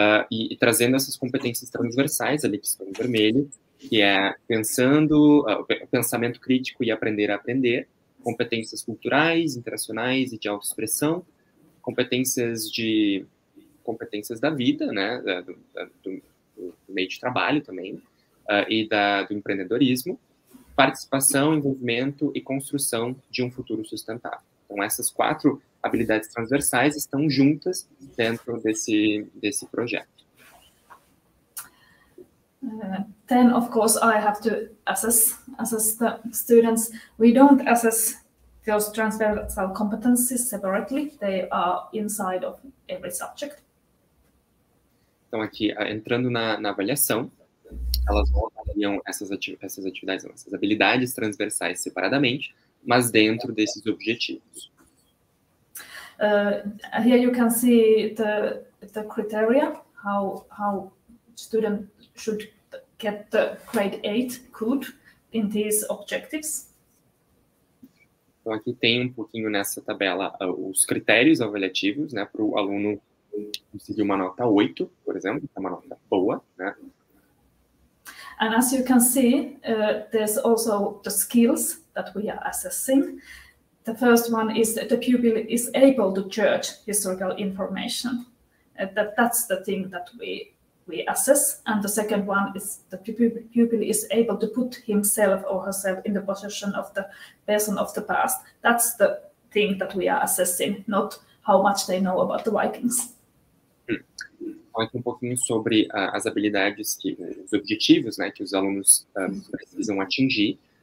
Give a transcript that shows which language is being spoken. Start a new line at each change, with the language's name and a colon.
Portuguese: e trazendo essas competências transversais ali que estão em vermelho, que é pensando, pensamento crítico e aprender a aprender, competências culturais, interacionais e de autoexpressão, competências da vida, né, do meio de trabalho também, e do empreendedorismo, participação, envolvimento e construção de um futuro sustentável. Então, essas quatro habilidades transversais estão juntas dentro desse projeto.
English: Then, of course, I have to assess the students. We don't assess those transversal competencies separately. They are inside of every subject.
Portuguese: Então, aqui, entrando na avaliação, elas avaliam essas atividades, essas habilidades transversais separadamente, mas dentro desses objetivos.
English: Here you can see the criteria, how student should get the grade 8 good in these objectives.
Portuguese: Então, aqui tem um pouquinho nessa tabela os critérios avaliativos, né, para o aluno conseguir uma nota 8, por exemplo, uma nota boa, né?
English: And as you can see, there's also the skills that we are assessing. The first one is that the pupil is able to judge historical information. That's the thing that we assess. And the second one is the pupil is able to put himself or herself in the position of the person of the past. That's the thing that we are assessing, not how much they know about the Vikings.
Portuguese: Aqui um pouquinho sobre as habilidades, os objetivos, né, que os alunos precisam atingir.